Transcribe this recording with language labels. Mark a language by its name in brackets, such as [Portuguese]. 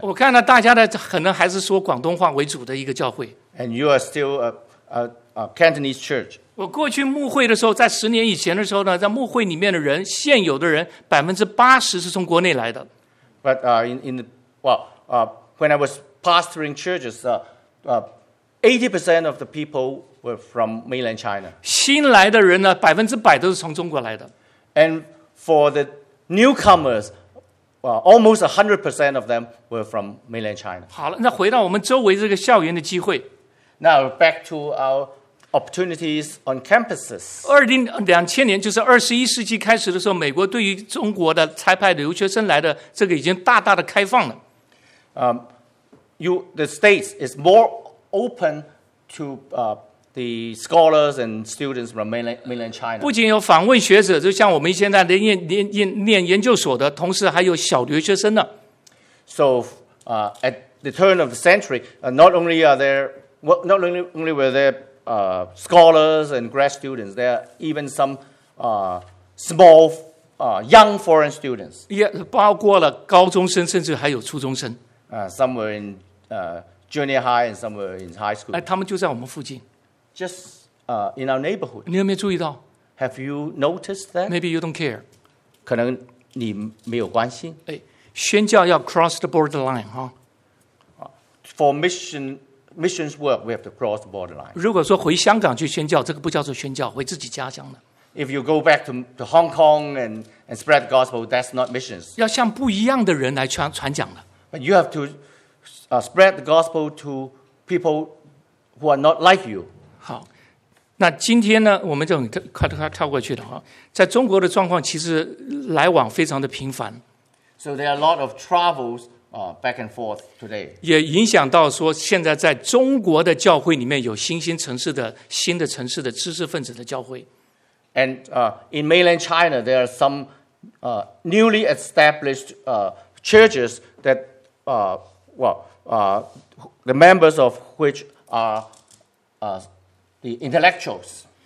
[Chinese] 我看到大家的可能还是说广东话为主的一个教会。 [English] And you are still a Cantonese church. [Chinese] 我过去牧会的时候，在10年以前的时候呢，在牧会里面的人，现有的人 80% 是从国内来的。 [English] But when I was pastoring churches, 80% of the people were from mainland China. [Chinese] 新来的人呢， 100% 都是从中国来的。 [English] And for the newcomers, almost 100% of them were from mainland China. [Chinese] 好了，那回到我们周围这个校园的机会。 [English] Now back to our opportunities on campuses. [Chinese] 2000年就是21世纪开始的时候, 美国对于中国的差派留学生来的这个已经大大的开放了。 [English] The states is more open to the scholars and students from mainland China. [Chinese] 不仅有访问学者，就像我们现在的念研究所的，同时还有小留学生呢。 [English] So at the turn of the century, not only were there scholars and grad students. There are even some small young foreign students. [Chinese] Yeah, 包括了高中生，甚至还有初中生。 [English] Some were in junior high and some were in high school. [Chinese] 他们就在我们附近。 [English] Just in our neighborhood. [Chinese] 你有没有注意到？ [English] Have you noticed that? Maybe you don't care. [Chinese] 可能你没有关心。宣教要 [English] cross the border line, huh? For missions work, we have to cross the borderline. [Chinese] 如果说回香港去宣教，这个不叫做宣教，回自己家乡的。 [English] If you go back to Hong Kong and spread the gospel, that's not missions. [Chinese] 要向不一样的人来传讲的。 [English] But you have to spread the gospel to people who are not like you. [Chinese] 好。那今天呢，我们就很快跳过去的哈。在中国的状况其实来往非常的频繁。 [English] So there are a lot of travels back and forth today. [Chinese] 也影响到说现在在中国的教会里面有新的城市的知识分子的教会。 [English] And in mainland China, there are some newly established churches that the members of which are the intellectuals.